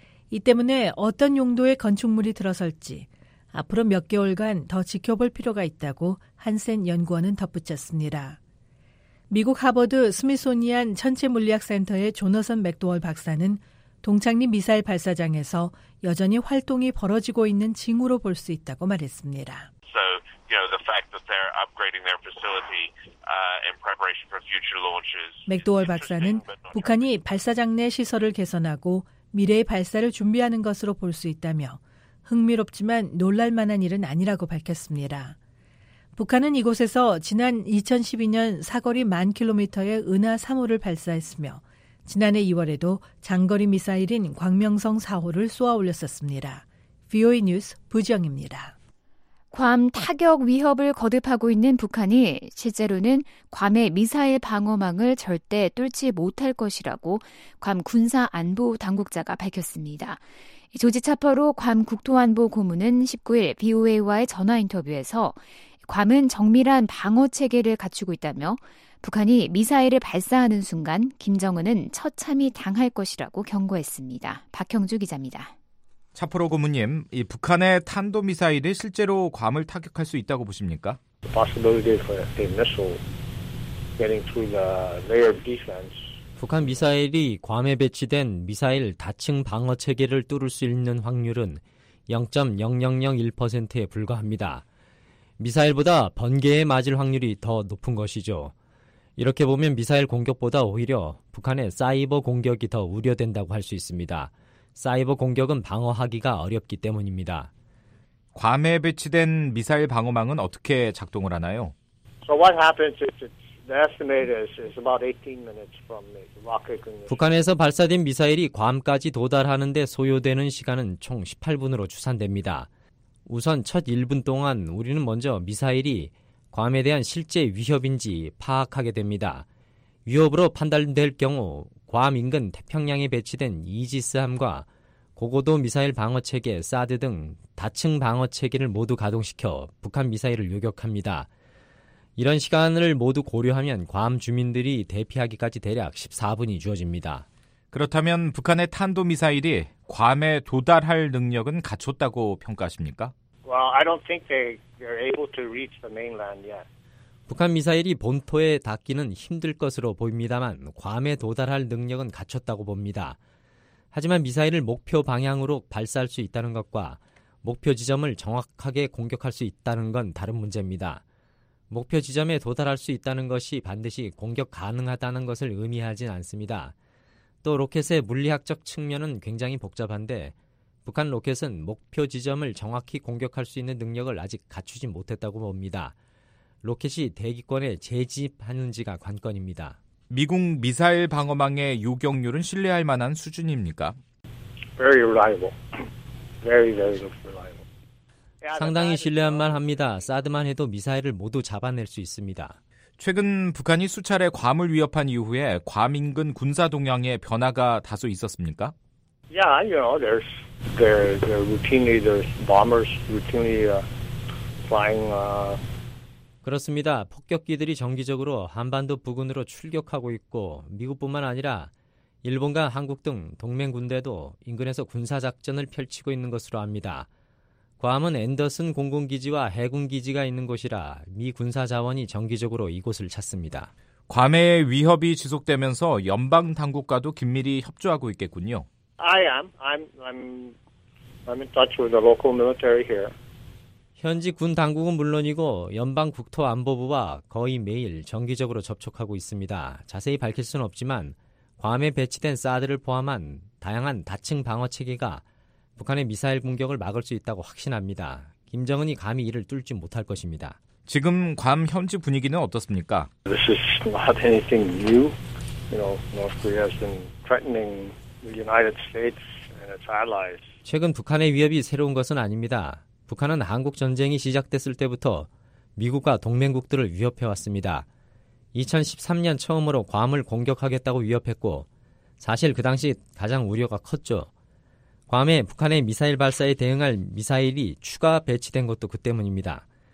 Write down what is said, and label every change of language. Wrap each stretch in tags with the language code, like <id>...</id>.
<ko>이 때문에 어떤 용도의 건축물이 들어설지 앞으로 몇 개월간 더 지켜볼 필요가 있다고 한센 연구원은 덧붙였습니다. 미국 하버드 스미소니안 천체물리학센터의 조너선 맥도월 박사는 동창리 미사일 발사장에서 여전히 활동이 벌어지고 있는 징후로 볼 수 있다고 말했습니다.</ko> <en>So, you know, the fact that they're upgrading their facility in preparation for future launches.</en> <ko>맥도월 박사는 북한이 발사장 내 시설을 개선하고 미래의 발사를 준비하는 것으로 볼 수 있다며 흥미롭지만 놀랄 만한 일은 아니라고 밝혔습니다. 북한은 이곳에서 지난 2012년 사거리 1만 킬로미터의 은하 3호를 발사했으며 지난해 2월에도 장거리 미사일인 광명성 4호를 쏘아올렸었습니다. VOA 뉴스 부지영입니다. 괌 타격 위협을 거듭하고 있는 북한이 실제로는 괌의 미사일 방어망을 절대 뚫지 못할 것이라고 괌 군사안보당국자가 밝혔습니다. 조지 차퍼로 괌 국토안보 고문은 19일 VOA와의 전화 인터뷰에서 괌은 정밀한 방어체계를 갖추고 있다며 북한이 미사일을 발사하는 순간 김정은은 처참히 당할 것이라고 경고했습니다. 박형주 기자입니다. 차포로 고문님, 이 북한의 탄도미사일이 실제로 괌을 타격할 수 있다고 보십니까?</ko> <en>The possibility for a missile getting through the layer of defense.</en> <ko>북한 미사일이 괌에 배치된 미사일 다층 방어 체계를 뚫을 수 있는 확률은 0.0001%에 불과합니다. 미사일보다 번개에 맞을 확률이 더 높은 것이죠. 이렇게 보면 미사일 공격보다 오히려 북한의 사이버 공격이 더 우려된다고 할 수 있습니다. 사이버 공격은 방어하기가 어렵기 때문입니다. 괌에 배치된 미사일 방어망은 어떻게 작동을 하나요?</ko> <en>So what happens is the estimate is about 18 minutes from the rocket ignition.</en> <ko>북한에서 발사된 미사일이 괌까지 도달하는 데 소요되는 시간은 총 18분으로 추산됩니다. 우선 첫 1분 동안 우리는 먼저 미사일이 괌에 대한 실제 위협인지 파악하게 됩니다. 위협으로 판단될 경우 괌 인근 태평양에 배치된 이지스함과 고고도 미사일 방어체계 사드 등 다층 방어체계를 모두 가동시켜 북한 미사일을 요격합니다. 이런 시간을 모두 고려하면 괌 주민들이 대피하기까지 대략 14분이 주어집니다. 그렇다면 북한의 탄도미사일이 괌에 도달할 능력은 갖췄다고 평가하십니까?</ko> <en>Well, I don't think they're able to reach the mainland yet.</en> <ko>북한 미사일이 본토에 닿기는 힘들 것으로 보입니다만 괌에 도달할 능력은 갖췄다고 봅니다. 하지만 미사일을 목표 방향으로 발사할 수 있다는 것과 목표 지점을 정확하게 공격할 수 있다는 건 다른 문제입니다. 목표 지점에 도달할 수 있다는 것이 반드시 공격 가능하다는 것을 의미하진 않습니다. 또 로켓의 물리학적 측면은 굉장히 복잡한데 북한 로켓은 목표 지점을 정확히 공격할 수 있는 능력을 아직 갖추지 못했다고 봅니다. 로켓이 대기권에 재진입하는지가 관건입니다. 미국 미사일 방어망의 요격률은 신뢰할 만한 수준입니까?</ko> <en>Very reliable. Very, very reliable.</en> <ko>상당히 신뢰할 만합니다. 사드만 해도 미사일을 모두 잡아낼 수 있습니다. 최근 북한이 수차례 괌을 위협한 이후에 괌 인근 군사 동향에 변화가 다소 있었습니까?</ko> <en>Yeah, you know, there's routinely there's bombers routinely flying.</en> <ko>그렇습니다. 폭격기들이 정기적으로 한반도 부근으로 출격하고 있고 미국뿐만 아니라 일본과 한국 등 동맹 군대도 인근에서 군사 작전을 펼치고 있는 것으로 압니다. 괌은 앤더슨 공군기지와 해군기지가 있는 곳이라 미 군사 자원이 정기적으로 이곳을 찾습니다. 괌의 위협이 지속되면서 연방 당국과도 긴밀히 협조하고 있겠군요.</ko> <en>I'm in touch with the local military here.</en> <ko>현지 군 당국은 물론이고 연방 국토안보부와 거의 매일 정기적으로 접촉하고 있습니다. 자세히 밝힐 수는 없지만 괌에 배치된 사드를 포함한 다양한 다층 방어 체계가 북한의 미사일 공격을 막을 수 있다고 확신합니다. 김정은이 감히 이를 뚫지 못할 것입니다. 지금 괌 현지 분위기는 어떻습니까?</ko> <en>This is not anything new. You know, North Korea has been threatening the United States and its allies.</en> <ko>최근 북한의 위협이 새로운 것은 아닙니다. 북한은 한국 전쟁이 시작됐을 때부터 미국과 동맹국들을 위협해 왔습니다. 2013년 처음으로 괌을 공격하겠다고 위협했고 사실 그 당시 가장 우려가 컸죠. 괌에 북한의 미사일 발사에 대응할 미사일이 추가 배치된 것도 그 때문입니다.</ko>